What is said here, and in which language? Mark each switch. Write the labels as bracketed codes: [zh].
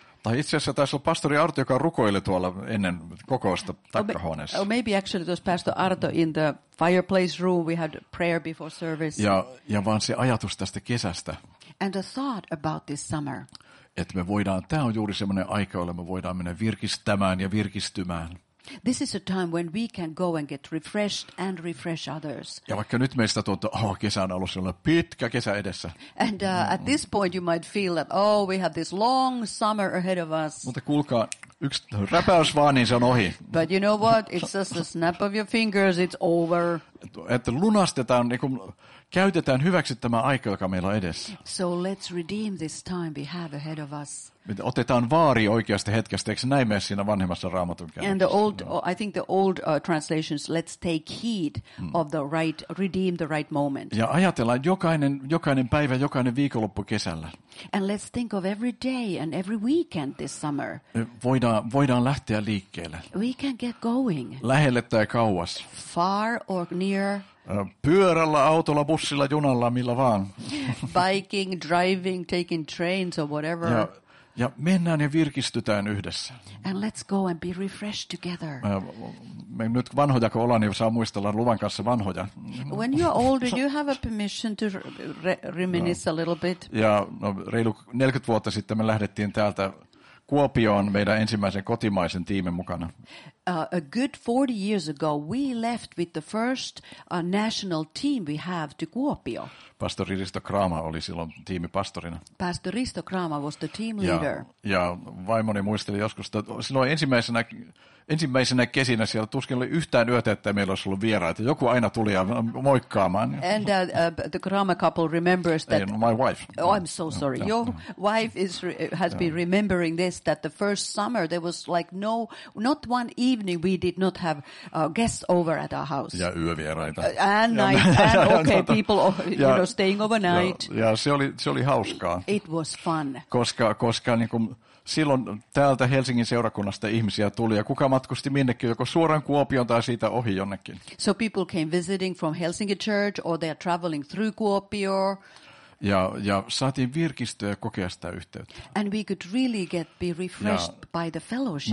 [fi] Tai itse asiassa taisi olla pastori Arto, joka rukoili tuolla ennen kokousta takkahuoneessa. [en] Or maybe actually it was Pastor Arto in the fireplace room. We had prayer before service. [fi] Ja vaan se ajatus tästä kesästä. [en] And the thought about this summer. [fi] Että me voidaan, tämä on juuri semmoinen aika, jolla me voidaan mennä virkistämään ja virkistymään. [en] This is a time when we can go and get refreshed and refresh others. [fi] Ja vaikka nyt meistä tuntuu, kesän alussa on pitkä kesä edessä. [en] And at this point you might feel that oh we have this long summer ahead of us. [fi] Mutta kuulkaa, yksi räpäys vaan niin se on ohi. [en] But you know what? It's just a snap of your fingers, it's over. [fi] Että lunastetaan, niin kuin käytetään hyväksi tämä aika, joka meillä on edessä. [en] So let's redeem this time we have ahead of us. [fi] Otetaan vaari oikeasta hetkestä, eikö näin mene siinä vanhemmassa Raamatun käännöksessä? [en] And the old, I think the old translations, let's take heed of the right, redeem the right moment. [fi] Ja ajatellaan jokainen päivä, jokainen viikonloppu kesällä. [en] And let's think of every day and every weekend this summer. [fi] Voidaan lähteä liikkeelle. [en] We can get going. [fi] Lähelle tai kauas. [en] Far or near. [fi] Pyörällä, autolla, bussilla, junalla, millä vaan. [en] Biking, driving, taking trains or whatever. [fi] Ja mennään ja virkistytään yhdessä. [en] And let's go and be refreshed together. [fi] Me nyt vanhoja kun ollaan, niin saa muistella luvan kanssa vanhoja. [en] When you're older, you have a permission to reminisce a little bit. [fi] Ja no, reilu 40 vuotta sitten me lähdettiin täältä Kuopioon meidän ensimmäisen kotimaisen tiimin mukana. [en] A good 40 years ago, we left with the first national team we have to Kuopio. [fi] Pastori Risto Kraama oli silloin tiimipastorina. [en] Pastor Risto Kraama was the team leader. [fi] Ja vaimoni muisteli joskus, että silloin ensimmäisenä kesinä siellä tuskin oli yhtään yötä, että meillä olisi ollut vieraita. Joku aina tuli ja moikkaamaan. [en] And the Kraama couple remembers that... My wife. Oh, I'm so sorry. Your wife has been remembering this, that the first summer there was like not one evening we did not have guests over at our house. [fi] Ja yövieraita. [en] And night. And okay, people staying overnight. [fi] Ja se oli hauskaa. [en] It was fun. [fi] Koska niin kuin... Silloin täältä Helsingin seurakunnasta ihmisiä tuli ja kuka matkusti minnekin, joko suoraan Kuopioon tai siitä ohi jonnekin. [en] So people came visiting from Helsinki church or they are traveling through Kuopio. [fi] Ja saatiin virkistyä ja kokea sitä yhteyttä. [en] And we could really get be refreshed ja, by the fellowship.